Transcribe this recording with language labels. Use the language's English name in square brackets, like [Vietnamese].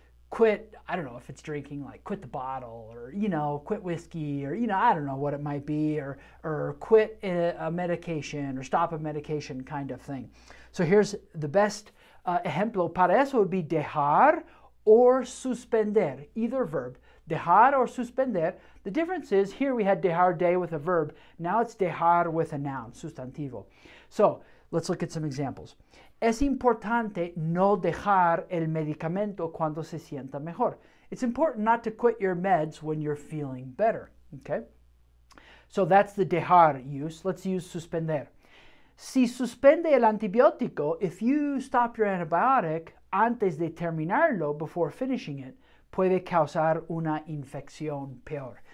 [English] Quit, I don't know if it's drinking, like quit the bottle, or, you know, quit whiskey, or, you know, I don't know what it might be, or quit a medication, or stop a medication kind of thing. So here's the best ejemplo. [Spanish] Para eso [English] would be dejar or suspender, either verb. Dejar or suspender. The difference is here we had dejar de with a verb. Now it's dejar with a noun, sustantivo. So let's look at some examples. [Spanish] Es importante no dejar el medicamento cuando se sienta mejor. [English] It's important not to quit your meds when you're feeling better, okay? So that's the dejar use. Let's use suspender. [Spanish] Si suspende el antibiótico, [English] if you stop your antibiotic [Spanish] antes de terminarlo, [English] before finishing it, [Spanish] puede causar una infección peor.